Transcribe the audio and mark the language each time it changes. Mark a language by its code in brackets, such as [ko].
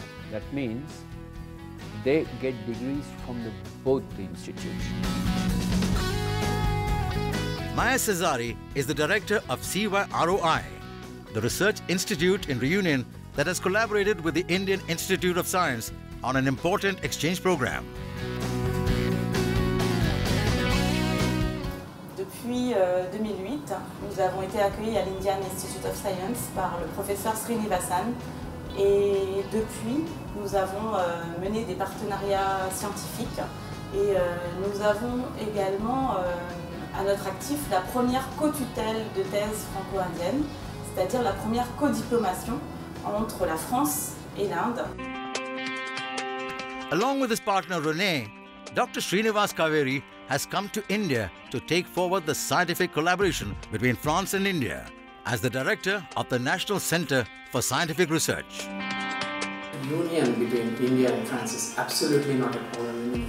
[en] That means they get degrees from both the institutions. Maya Cesari is the director of CYROI, the research institute in Réunion that has collaborated with the Indian Institute of Science on an important exchange program. [fr] Depuis 2008, nous avons été accueillis à l'Indian Institute of Science par le professeur Srinivasan. Et depuis, nous avons mené des partenariats scientifiques Et nous avons également à notre actif la première co-tutelle de thèse franco-indienne, c'est-à-dire la première co-diplomation entre la France et l'Inde. [en] Along with his partner René, Dr. Srinivas Kaveri has come to India to take forward the scientific collaboration between France and India as the director of the National Center for Scientific Research. The union between India and France is absolutely not a problem.